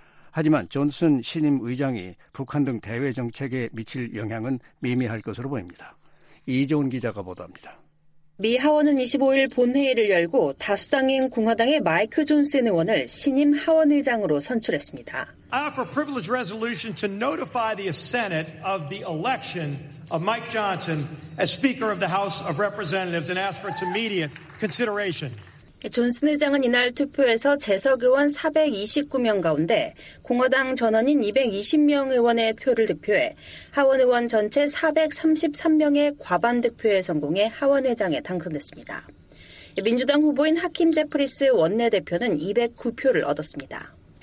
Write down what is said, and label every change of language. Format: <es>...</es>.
<ko>하지만 존슨 신임 의장이 북한 등 대외 정책에 미칠 영향은 미미할 것으로 보입니다. 이종훈 기자가 보도합니다. 미 하원은 25일 본회의를 열고 다수당인 공화당의 마이크 존슨 의원을 신임 하원의장으로 선출했습니다.</ko> <en>I offer privilege resolution to notify the Senate of the election of Mike Johnson as Speaker of the House of Representatives and ask for its immediate consideration.</en> <ko>존슨 의장은 이날 투표에서 재석 의원 429명 가운데 공화당 전원인 220명 의원의 표를 득표해 하원 의원 전체 433명의 과반 득표에 성공해 하원 의장에 당선됐습니다. 민주당 후보인 하킴 제프리스 원내대표는 209표를 얻었습니다.</ko>